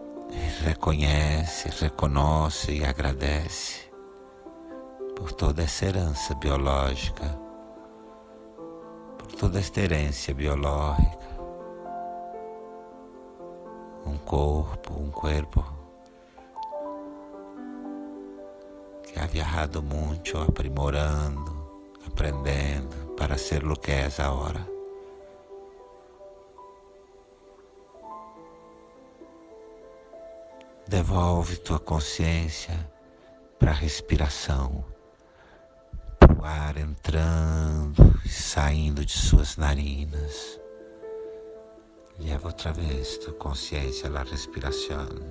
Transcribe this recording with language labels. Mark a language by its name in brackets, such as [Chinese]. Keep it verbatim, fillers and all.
[Portuguese] E reconhece, reconhece e agradece por toda essa herança biológica, [Spanish] por toda esta herência biológica. [Portuguese] Um corpo, [Spanish] un cuerpo que ha viajado mucho, [Portuguese] aprimorando, [Spanish] aprendiendo para ser lo que es ahora. [Portuguese] Devolve tua consciência para a respiração, para o ar entrando e saindo de suas narinas. [Spanish] Lleva otra vez tu conciencia a la respiración.